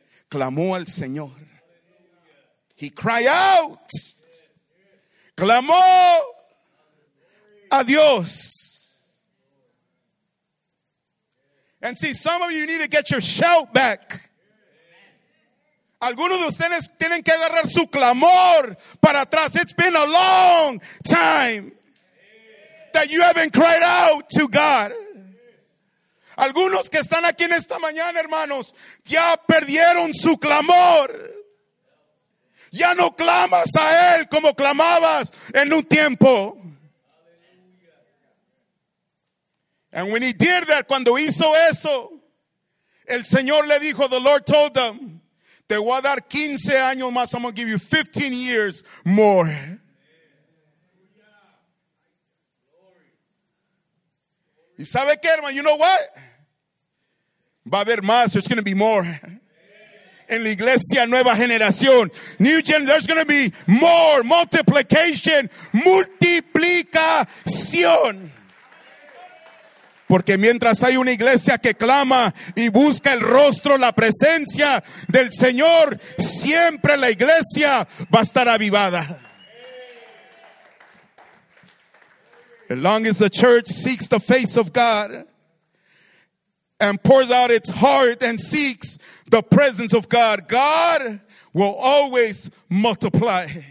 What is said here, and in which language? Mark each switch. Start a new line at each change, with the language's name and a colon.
Spanish: Clamó al Señor.
English: He cried out.
Spanish: Clamó a Dios.
English: And see, some of you need to get your shout back.
Spanish: Algunos de ustedes tienen que agarrar su clamor para atrás.
English: It's been a long time that you haven't cried out to God.
Spanish: Algunos que están aquí en esta mañana, hermanos, ya perdieron su clamor. Ya no clamas a Él como clamabas en un tiempo.
English: And when he did that,
Spanish: cuando hizo eso, el Señor le dijo,
English: the Lord told them,
Spanish: te voy a dar 15 años más.
English: I'm going to give you 15 years more.
Spanish: Y sabe qué, hermano,
English: you know what?
Spanish: Va a haber más.
English: There's going to be more.
Spanish: En la iglesia nueva generación.
English: New gen, there's going to be more. Multiplication.
Spanish: Multiplicación. Porque mientras hay una iglesia que clama y busca el rostro, la presencia del Señor, siempre la iglesia va a estar avivada.
English: As long as the church seeks the face of God and pours out its heart and seeks the presence of God, God will always multiply.